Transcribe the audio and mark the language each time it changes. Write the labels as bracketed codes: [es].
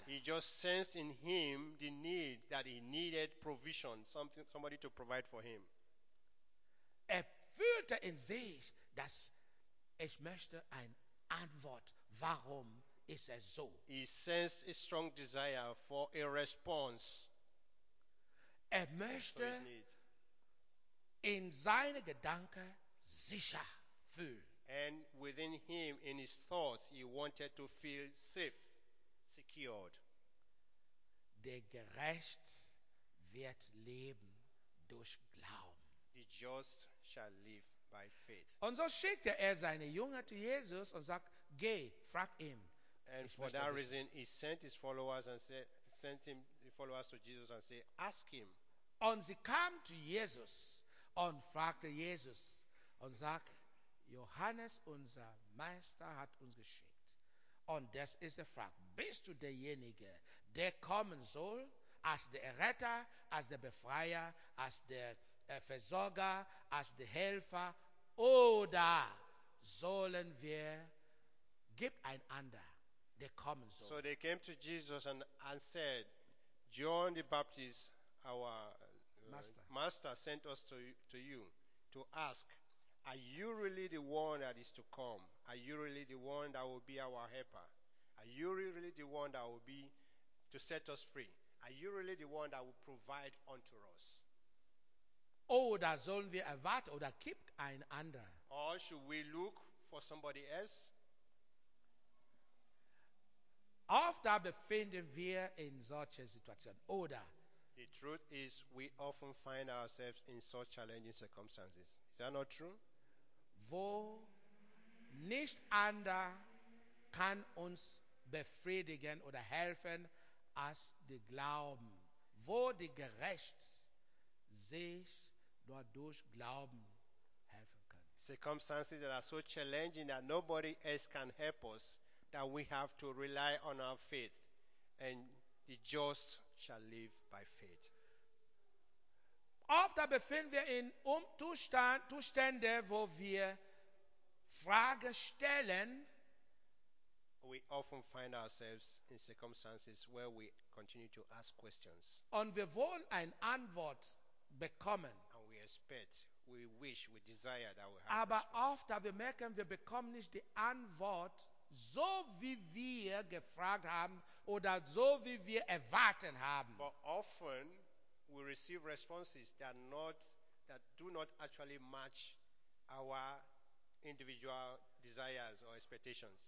[en] He just sensed in him the need that he needed provision, something, somebody to provide for him. [de] Er fühlte in sich, dass ich möchte ein Antwort, warum ist es so? [en] He sensed a strong desire for a response. [de] Er möchte in seine Gedanken sicher fühlen. [en] And within him, in his thoughts, he wanted to feel safe, secured. [de] Der Gerecht wird leben durch Glauben. [en] The just shall live by faith. [de] Und so schickte er seine Jünger zu Jesus und sagt, geh, frag ihn. [en] And for that reason, he sent his followers and sent him the followers to Jesus and said, ask him. [de] Und sie kam zu Jesus und fragte Jesus und sagt, Johannes, unser Meister, hat uns geschickt. Und das ist die Frage. Bist du derjenige, der kommen soll, als der Retter, als der Befreier, als der Versorger, als der Helfer? Oder sollen wir, gib einander, der kommen soll? [en] So they came to Jesus and said, John the Baptist, our master sent us to you to ask, are you really the one that is to come? Are you really the one that will be our helper? Are you really the one that will be to set us free? Are you really the one that will provide unto us? [de] Oder sollen wir erwarten oder keep ein anderer? [en] Or should we look for somebody else? [de] Oft befinden wir in solchen Situationen. Oder? [en] The truth is, we often find ourselves in such challenging circumstances. Is that not true? [de] Wo nicht ander kann uns befriedigen oder helfen als die Glauben. Wo die Gerecht sich dadurch Glauben helfen kann. [en] Circumstances that are so challenging that nobody else can help us, that we have to rely on our faith, and the just shall live by faith. [de] Oft befinden wir in Zustände, wo wir Frage stellen. [en] We often find ourselves in circumstances where we continue to ask questions. [de] Und wir wollen eine Antwort bekommen. [en] And we expect, we wish, we desire that we have. [de] Aber oft wir merken, wir bekommen nicht die Antwort, so wie wir gefragt haben oder so wie wir erwarten haben. [en] But often we receive responses that do not actually match our individual desires or expectations.